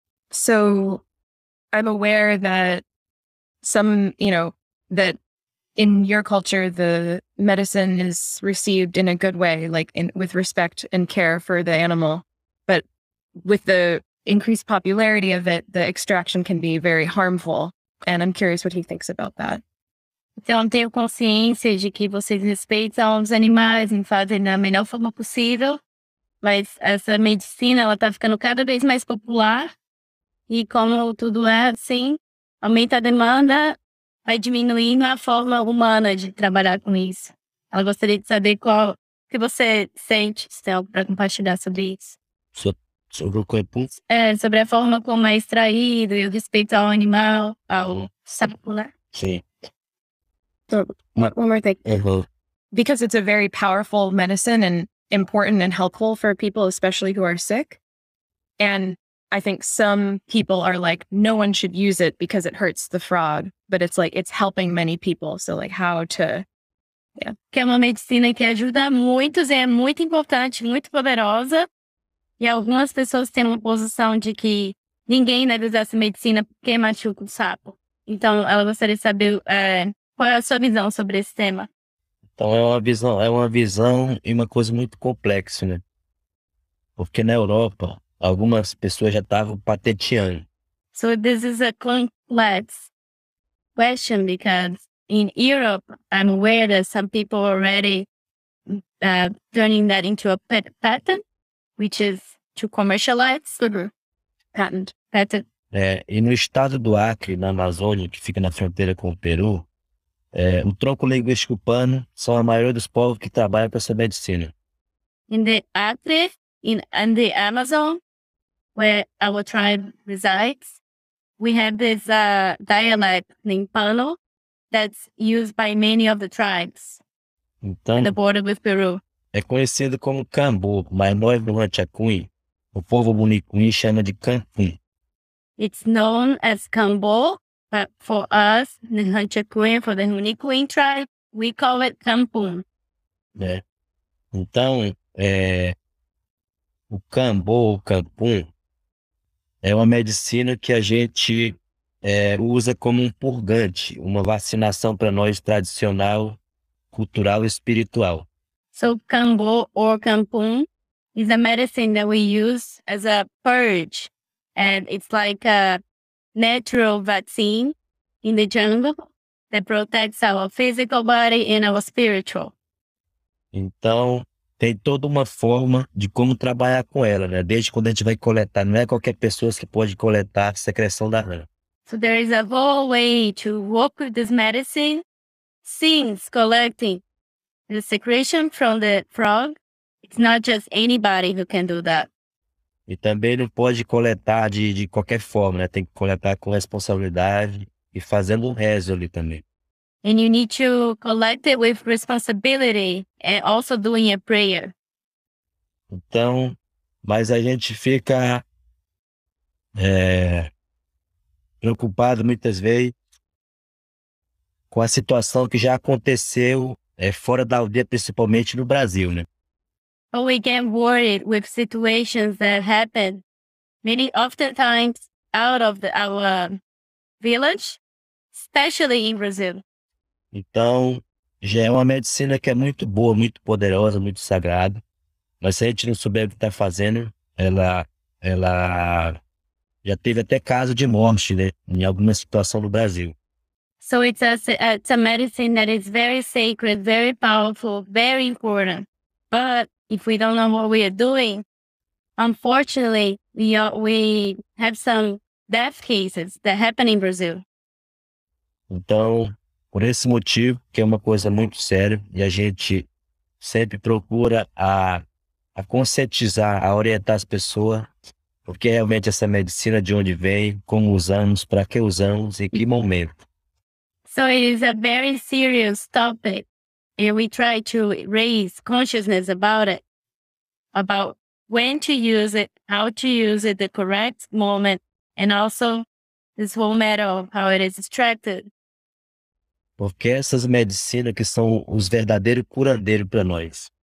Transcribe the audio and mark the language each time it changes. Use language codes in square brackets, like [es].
[en] So I'm aware that some, you know, that in your culture, the medicine is received in a good way, like in, with respect and care for the animal. But with the increased popularity of it, the extraction can be very harmful. And I'm curious what he thinks about that. [pt] Então, tenho consciência de que vocês respeitam os animais e fazem da melhor forma possível. Mas essa medicina, ela tá ficando cada vez mais popular. E como tudo é assim, aumenta a demanda, vai diminuindo a forma humana de trabalhar com isso. Ela gostaria de saber qual que você sente, Stel, para compartilhar sobre isso. Sobre o corpo? É, sobre a forma como é extraído e o respeito ao animal, ao sapo, né? Sim. [en] One more thing. Because it's a very powerful medicine and important and helpful for people, especially who are sick. And I think some people are like, no one should use it because it hurts the frog. But it's like, it's helping many people. So like how to, yeah. [pt] Que é uma medicina que ajuda muitos, é muito importante, muito poderosa. E algumas pessoas têm uma posição de que ninguém deve usar essa medicina porque machuca o sapo. Então ela gostaria de saber... Qual é a sua visão sobre esse tema? Então, é uma visão e uma coisa muito complexa, né? Porque na Europa, algumas pessoas já estavam patenteando. [en] So, this is a complex question because in Europe, I'm aware that some people are already turning that into a patent, which is to commercialize. Patent. [pt] É, e no estado do Acre, na Amazônia, que fica na fronteira com o Peru, é, o tronco linguístico pano são a maioria dos povos que trabalham para essa medicina. [en] In the Acre, in the Amazon, where our tribe resides, we have this dialect named pano that's used by many of the tribes. [pt] Então, [en] on the border with Peru. [pt] É conhecido como cambu, mas nós no Antiacuí, o povo bunicuí chama de campum. [en] It's known as cambu. But for us, the Hunchakuin, for the Hunikuin tribe, we call it Kampum. [pt] É. Então, é, o Kambo, o Kampum, é uma medicina que a gente é, usa como um purgante, uma vacinação para nós tradicional, cultural e espiritual. [en] So, Kambo or Kampum is a medicine that we use as a purge. And it's like a natural vaccine in the jungle that protects our physical body and our spiritual. [pt] Então, tem toda uma forma de como trabalhar com ela, né? Desde quando a gente vai coletar. Não é qualquer pessoa que pode coletar a secreção da rã. [en] So there is a whole way to work with this medicine since collecting the secretion from the frog. It's not just anybody who can do that. [pt] E também não pode coletar de qualquer forma, né? Tem que coletar com responsabilidade e fazendo um rezo ali também. [en] And you need to collect it with responsibility and also doing a prayer. [pt] Então, mas a gente fica preocupado muitas vezes com a situação que já aconteceu fora da aldeia, principalmente no Brasil, né? [en] Oh, we get worried with situations that happen many oftentimes out of our village, especially in Brazil. [pt] Então, já é uma medicina que é muito boa, muito poderosa, muito sagrada. Mas se a gente não souber o que está fazendo, ela já teve até caso de morte, né, em alguma situação no Brasil. [en] So it's a medicine that is very sacred, very powerful, very important. But if we don't know what we are doing, unfortunately, we have some death cases that happen in Brazil. [pt] Então, por esse motivo, que é uma coisa muito séria, e a gente sempre procura a conscientizar, a orientar as pessoas, porque realmente essa medicina, de onde vem, como usamos, para que usamos, em que momento. [en] So it is a very serious topic, and we try to raise consciousness about it, about when to use it, how to use it, the correct moment, and also this whole matter of how it is extracted. [pt] Porque essas medicinas que são os verdadeiros curandeiros para nós.